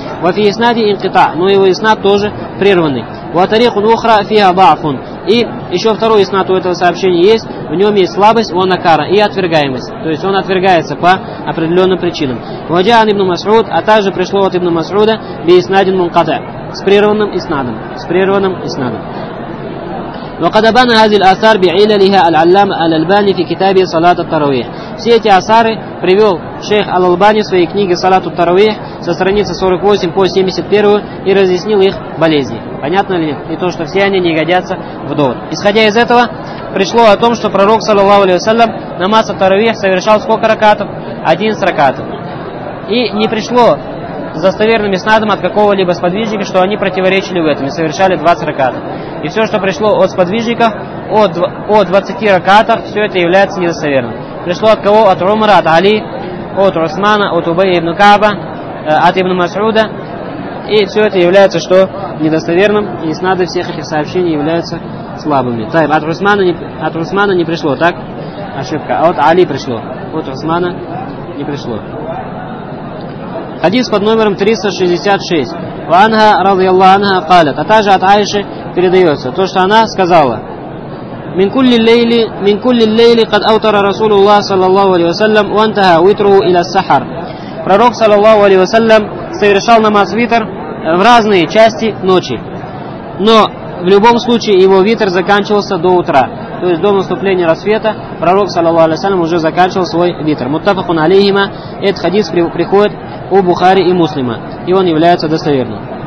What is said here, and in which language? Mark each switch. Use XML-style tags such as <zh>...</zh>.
<ar>Ва фи иснади инкита,</ar> <ru>но его иснад тоже прерванный.</ru> <ar>Ва тарихун ухра фиа баафун.</ar> <ru>И еще второй иснад у этого сообщения есть. В нем есть слабость,</ru> <ar>ва накара,</ar> <ru>и отвергаемость. То есть он отвергается по определенным причинам.</ru> <ar>Ваджа ан ибн Масуд,</ar> <ru>а также пришло от ибн Масуда</ru> <ar>би иснадин мунката.</ar> <ru>С прерванным иснадом. С прерванным иснадом.</ru> <ar>وقد بنى هذه الآثار بعللها العلامة الألباني في كتابه صلاة التراويح.</ar> <ru>Все эти асары привел шейх Аль-Албани в своей книге «Салату Тарауих» со страницы 48 по 71 и разъяснил их болезни. Понятно ли нет? И то, что все они не годятся в довод. Исходя из этого, пришло о том, что пророк, саллаллаху алейхи ва саллям, намаз Тарауих совершал сколько ракатов? 11 ракатов. И не пришло с достоверным иснадом от какого-либо сподвижника, что они противоречили в этом и совершали 20 ракатов. И все, что пришло от сподвижников, от 20 ракатов, все это является недостоверным. Пришло от кого? От Умара, от Али, от Усмана, от Убей ибн Кааба, от ибн Масуда. И все это является что? Недостоверным. И иснады всех этих сообщений являются слабыми. Так, от Усмана не пришло, так? Ошибка. А от Али пришло. От Усмана не пришло. Хадис под номером 366.</ru> <ar>Ванга радиаллаху анха قالت.</ar> <ru>А также от Айши передается то, что она сказала.</ru> <ar>Мин кулли лейли قد أوتر رسول الله صلى الله عليه وسلم وانتهى وتره إلى السحر.</ar> <ru>Пророк саллаллаху алейхи ва саллям совершал намаз витр в разные части ночи. Но в любом случае его витр заканчивался до утра. То есть до наступления рассвета пророк саллаллаху алейхи ва саллям уже заканчивал свой витр. Муттафакун алейхима. Этот хадис приходит у Бухари и Муслима, и он является достоверным.</ru>